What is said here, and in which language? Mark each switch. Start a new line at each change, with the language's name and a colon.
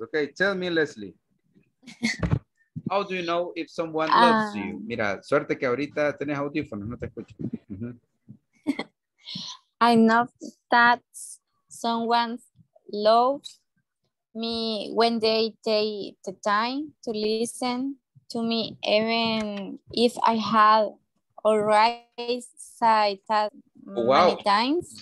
English: Ok, tell me, Leslie. How do you know if someone loves you?
Spanish: Mira, suerte que ahorita tenés audífonos, no te escucho. Uh-huh.
English: I know that someone loves me when they take the time to listen to me, even if I have already said that many times.